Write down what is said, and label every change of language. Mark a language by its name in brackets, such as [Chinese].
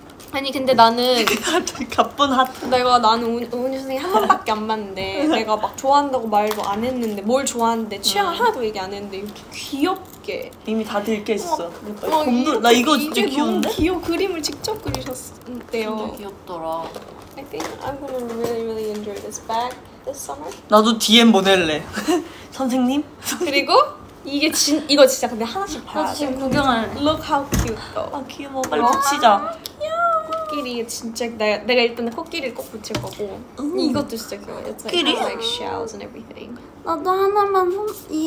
[Korean] 아니 근데 나는 가쁜 하트. 내가 나는 은유 선생님 한 번밖에 안 봤는데 내가 막 좋아한다고 말도 안 했는데 뭘 좋아하는데 취향 하나도 얘기 안 했는데 이렇게 귀엽게 이미 다 들켰어. 나 이거 진짜 이게 귀여운데? 너무 귀여운 그림을 직접 그리셨대요. 진짜 귀엽더라. [English] I think I'm gonna really really enjoy this bag this summer. [Korean] 나도 DM 보낼래. 선생님? 그리고 이게 이거 진짜 근데 하나씩 봐야 돼. 지금 구경할래. [English] Look how cute. [Korean] 아 귀여워. 빨리 붙이자. 코끼리 진짜 내가 일단 코끼리를 꼭 붙일 거고 이것도 진짜 귀여워. 코끼리? [English] It's like shells and everything. [Korean] 나도 하나만 이